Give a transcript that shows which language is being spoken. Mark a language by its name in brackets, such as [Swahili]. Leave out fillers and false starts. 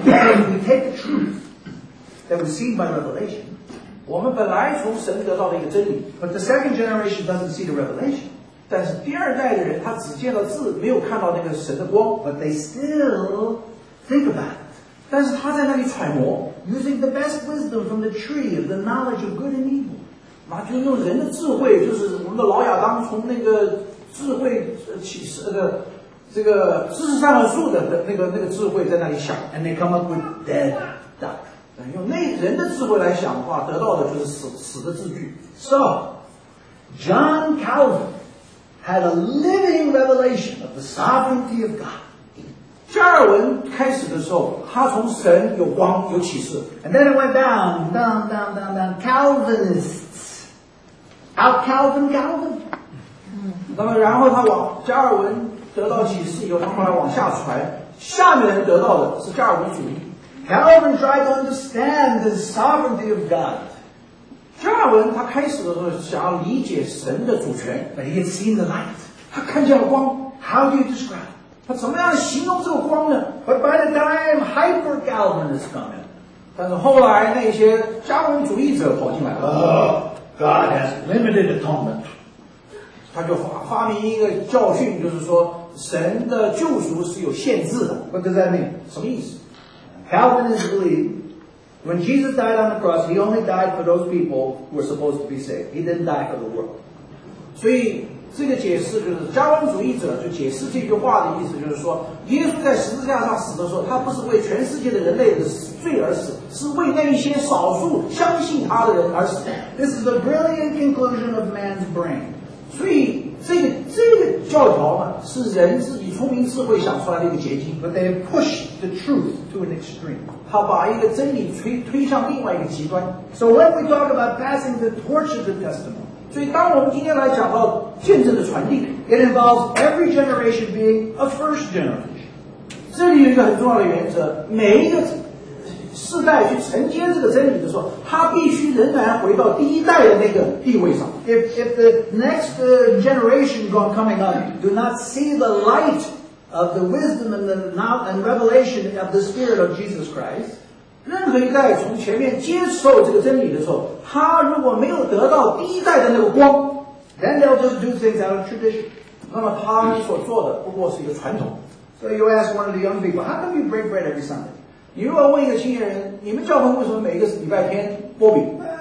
[English] We take the truth that was seen by revelation. [Chinese] 我们本来从神得到的一个真理。 [English] But the second generation doesn't see the revelation. [Chinese] 但是第二代的人他只见到字，没有看到那个神的光。 [English] But they still think about it. [Chinese] 但是他在那里揣摩。 [English] Using the best wisdom from the tree of the knowledge of good and evil. [Chinese] 那就用人的智慧，就是我们的老亚当从那个智慧启示的。这个知识上的树的那个智慧在那里想 [English] ，and they come up with dead duck， [Chinese] 用那人的智慧来想的话，得到的就是死的字句。 [English] So John Calvin had a living revelation of the sovereignty of God。 [Chinese] 加尔文开始的时候，他从神有光有启示 [English] ，and then it went down Calvinists， out Calvin， [Chinese] 那么然后他往加尔文。得到启示以后，他后来往下传。下面人得到的是加尔文主义。 [English] Calvin tried to understand the sovereignty of God. [Chinese] 加尔文他开始的时候想要理解神的主权。 [English] But he had seen the light. [Chinese] 他看见了光。 [English] How do you describe? [Chinese] 他怎么样形容这个光呢 [English] ？But by the time hyper Calvinists come in, [Chinese] 但是后来那些加尔文主义者跑进来了。 [English] God has limited atonement. [Chinese] 他就发明一个教训，就是说神的救赎是有限制的。 [English] What does that mean? [Chinese] 什么意思？ [English] Calvinists believe when Jesus died on the cross, he only died for those people who were supposed to be saved. He didn't die for the world. [Chinese] 所以这个解释就是加尔文主义者就解释这句话的意思，就是说耶稣在十字架上死的时候，他不是为全世界的人类的罪而死，是为那一些少数相信他的人而死。 [English] This is the brilliant conclusion of man's brain. [Chinese] 所以这个教条呢，是人自己聪明智慧想出来的一个结晶。 [English] But they push the truth to an extreme. [Chinese] 他把一个真理推向另外一个极端。 [English] So when we talk about passing the torch of the testimony. [Chinese] 所以当我们今天来讲到见证的传递， [English] It involves every generation being a first generation. [Chinese] 这里有一个很重要的原则，每一个世代去承接这个真理的时候，他必须仍然回到第一代的那个地位上。 [English] If the next generation coming up do not see the light of the wisdom and revelation of the Spirit of Jesus Christ, [Chinese] 任何一代从前面接受这个真理的时候，他如果没有得到第一代的那个光， [English] then they'll just do things out of tradition. [Chinese] 那么他所做的不过是一个传统。 [English] So you ask one of the young people, how come you break bread every Sunday? [Chinese] 你如果问一个青年人，你们教会为什么每个礼拜天擘饼？